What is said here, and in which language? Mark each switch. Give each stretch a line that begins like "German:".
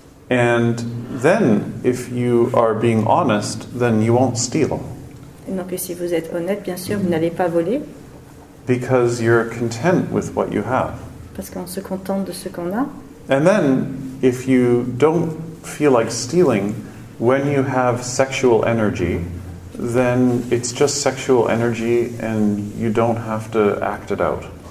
English: And then, if you are being honest, then you won't steal.
French: Et donc, si vous êtes honnête, bien sûr, vous n'allez pas voler.
English: Because you're content with what you have.
French: Parce qu'on se contente de ce qu'on a.
English: And then, if you don't feel like stealing, when you have sexual energy, then it's just sexual energy and you don't have to act it out.